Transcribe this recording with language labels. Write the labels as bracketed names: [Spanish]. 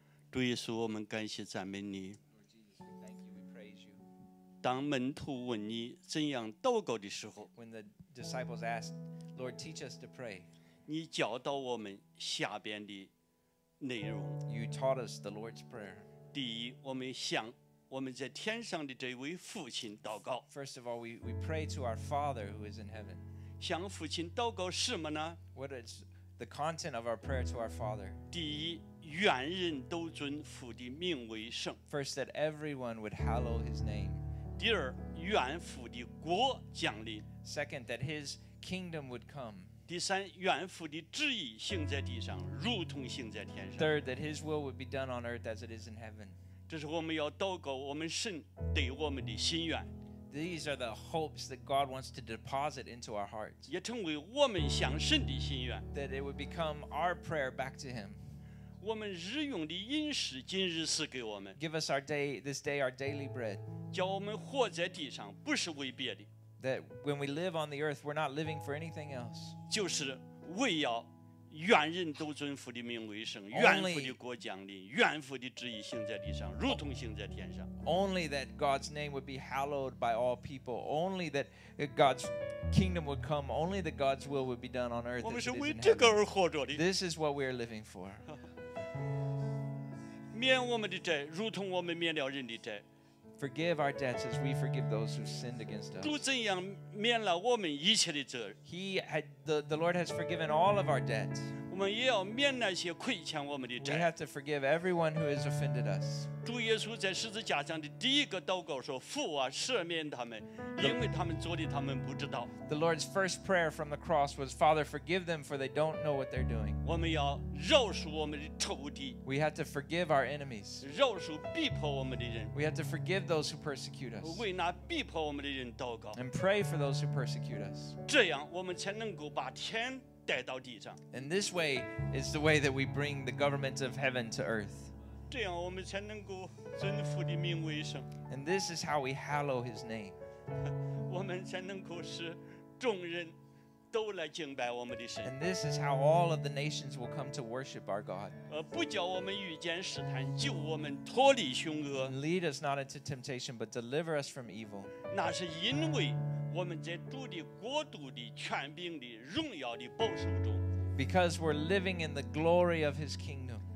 [Chinese] 主耶稣，我们感谢赞美你。当门徒问你怎样祷告的时候， [English] When the disciples asked, Lord, teach us to pray, [Chinese] 你教导我们下边的内容。 [English] You taught us the Lord's prayer. [Chinese] 第一，我们向我们在天上的这位父亲祷告。 [English] First of all, we pray to our Father who is in heaven. [Chinese] 向父亲祷告什么呢？ [English] What is the content of our prayer to our Father? [Chinese] 第一，愿人都尊父的名为圣。 [English] First, that everyone would hallow his name. [Chinese] 第二，愿父的国降临。 [English] Second, that his kingdom would come. [Chinese] 第三，愿父的旨意行在地上，如同行在天上。 [English] Third, that his will would be done on earth as it is in heaven. [Chinese] 这是我们要祷告我们神对我们的心愿。 [English] These are the hopes that God wants to deposit into our hearts. [Chinese] 也成为我们向神的心愿。 [English] That it would become our prayer back to him. [Chinese] 我们日用的饮食今日赐给我们。 [English] Give us our day, this day our daily bread. [Chinese] 叫我们活在地上不是为别的。 [English] That when we live on the earth, we're not living for anything else. [Chinese] 就是为要愿人都尊父的名为圣，愿父的国降临，愿父的旨意行在地上，如同行在天上。 [English] Only that God's name would be hallowed by all people. Only that God's kingdom would come. Only that God's will would be done on earth. [Chinese] 我们是为这个而活着的。 [English] This is what we are living for. [Chinese] 免我们的债，如同我们免了人的债。 [English] Forgive our debts as we forgive those who sinned against us. [Chinese] 主怎样免了我们一切的责？ [English] He had the Lord has forgiven all of our debts. [Chinese] 我们也要免那些亏欠我们的债。 [English] We have to forgive everyone who has offended us. [Chinese] 主耶稣在十字架上的第一个祷告说：“父啊，赦免他们，因为他们做的他们不知道。” [English] The Lord's first prayer from the cross was, "Father, forgive them, for they don't know what they're doing." [Chinese] 我们要饶恕我们的仇敌。 [English] We have to forgive our enemies. [Chinese] 饶恕逼迫我们的人。 [English] We have to forgive those who persecute us. [Chinese] 为那逼迫我们的人祷告。 [English] And pray for those who persecute us. [Chinese] 这样我们才能够把天带到地上。 [English] And this way is the way that we bring the government of heaven to earth. [Chinese] 这样我们才能够尊父的名为圣。 [English] And this is how we hallow His name. [Chinese] 我们才能够使众人都来敬拜我们的神。 [English] And this is how all of the nations will come to worship our God. [Chinese] 不叫我们遇见试探，救我们脱离凶恶。 [English] Lead us not into temptation, but deliver us from evil. [Chinese] 那是因为我们在主的国度的权柄的荣耀的保守中。 [English] Because we're living in the glory of His kingdom.